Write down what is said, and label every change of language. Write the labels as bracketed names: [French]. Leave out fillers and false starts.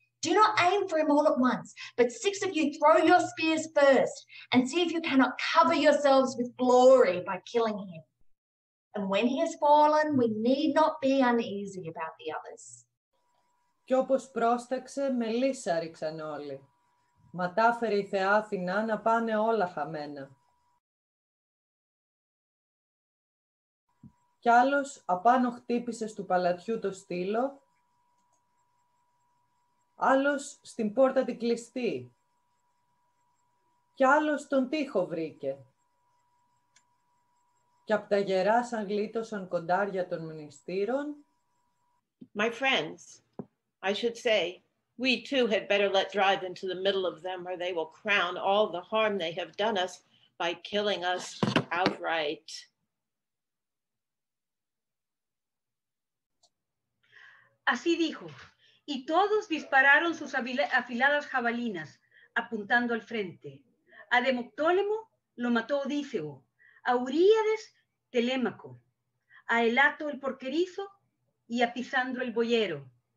[English] Do not aim for him all at once, but 6 of you throw your spears first and see if you cannot cover yourselves with glory by killing him. And when he has fallen, we need not be uneasy about the others. [Greek] Κι όπως πρόσταξε, μελίσα ρίξαν όλοι. Μα τάφερε η θεά Αθηνά να πάνε όλα χαμένα. Κι άλλος απάνω χτύπησε στου παλατιού το στήλο, άλλος στην πόρτα την κλειστή, κι άλλος τον τοίχο βρήκε. Κι απ' τα γερά σαν γλίτωσαν κοντάρια των μνηστήρων. [English] My friends, I should say, we too had better let drive into the middle of them, or they will crown all the harm they have done us by killing us outright. [Spanish] Así dijo, y todos dispararon sus afiladas jabalinas, apuntando al frente. A Demoptólemo lo mató Odiseo, a Uríades Telémaco, a Helato el porquerizo y a Pisandro el boyero.